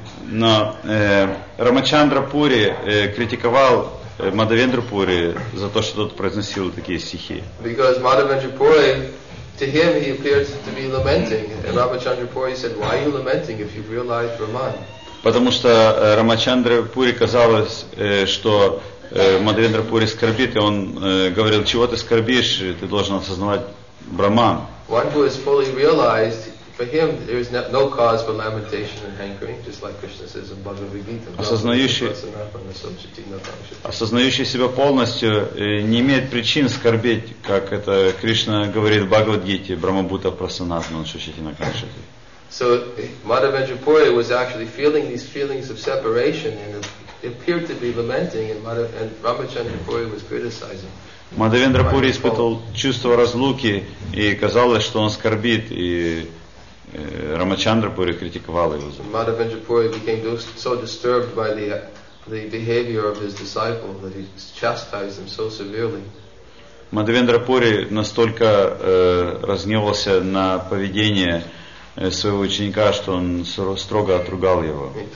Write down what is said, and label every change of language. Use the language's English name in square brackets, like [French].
[Russian] Но Рамачандра Пури критиковал Мадхавендру Пури за то, что тот произносил такие стихи. [English] Because Madhavendra Puri, to him, he appears to be lamenting, and Рамачандра Пури said, "Why are you lamenting if you've realized Brahman?" [Russian] Потому что Рамачандра Пури казалось, что Мадхавендра Пури скорбит, и он говорил, чего ты скорбишь, ты должен осознавать Брахман. [English] One who is fully realized, for him there is no cause for lamentation and hankering, just like Krishna says in Bhagavad Gita. [Russian] Осознающий себя полностью не имеет причин скорбеть, как это Кришна говорит в Бхагавад Гите, [Sanskrit] Брахмабута Прасанатман Сучитина Кашати. [English] So Madhavendra Puri was actually feeling these feelings of separation, and it appeared to be lamenting, and Рамачандра Пури was criticizing. [Russian] Мадхавендра Пури испытывал чувство разлуки, и казалось, что он скорбит, и Рамачандра Пури критиковал его. [English] Madhavendra Puri became so disturbed by the behavior of his disciple that he chastised him so severely. [Russian] Мадхавендра Пури настолько разгневался на поведение своего ученика, что он строго отругал его.